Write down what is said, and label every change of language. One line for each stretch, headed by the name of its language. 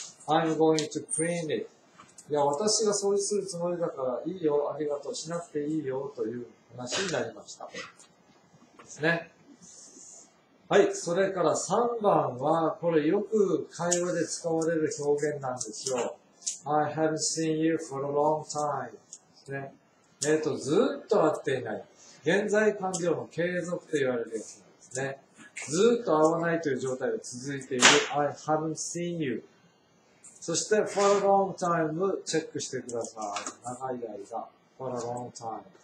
English: I'm going to clean it。
Japanese: いや、私が掃除するつもりだからいいよ、ありがとう、しなくていいよという話になりました。ですね。はい、それから3番は、これよく会話で使われる表現なんですよ。
English: I haven't seen you for a long time。
Japanese: ですね。ずっと会っていない。現在完了の継続と言われるやつなんですね。ずっと会わないという状態が続いている。
English: I haven't seen you。
Japanese: そして、
English: for a long time
Japanese: チェックしてください。長い間。
English: for a long time。